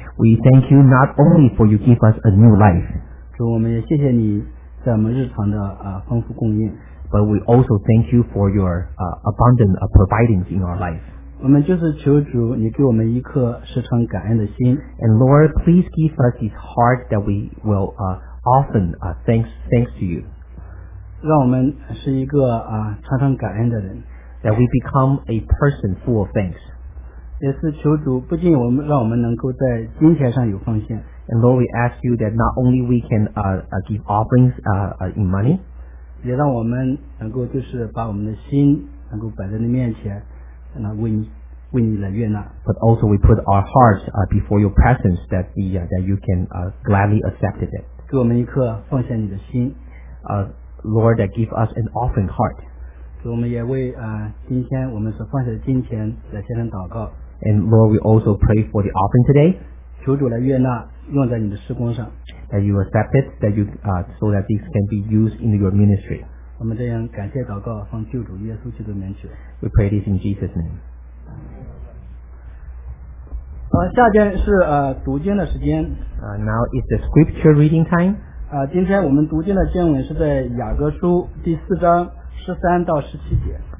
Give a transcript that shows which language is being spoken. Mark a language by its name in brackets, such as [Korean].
[English] We thank you not only for you give us a new life. [Chinese] 主，我们也谢谢你在我们日常的丰富供应。 [English] But we also thank you for your abundant providing in our life. [Chinese] 我们就是求主你给我们一颗时常感恩的心。 [English] And Lord, please give us this heart that we will often thanks to you. [Chinese] 让我们是一个常常感恩的人。 [English] That we become a person full of thanks. [Chinese] 也是求主不仅我们让我们能够在金钱上有奉献。 [English] And Lord, we ask you that not only we can give offerings in money, [Chinese] 也让我们能够就是把我们的心能够摆在你面前，那为你来悦纳。 [English] But also we put our hearts before your presence that that you can gladly accept it. [Chinese] 给我们一颗奉献你的心。 [English] Lord, that give us an offering heart. [Chinese] 给我们也为今天我们所奉献的金钱来献上祷告。 [English] And Lord, we also pray for the offering today. [Chinese] 求主来悦纳，用在你的事工上。 [English] That you accept it, that you so that this can be used in your ministry. [Chinese] 我们这样感谢祷告，奉救主耶稣基督的名求。 [English] We pray this in Jesus' name. [Chinese] 下边是读经的时间。 [English] Now is the scripture reading time. [Chinese] 今天我们读经的经文是在雅各书第四章十三到十七节。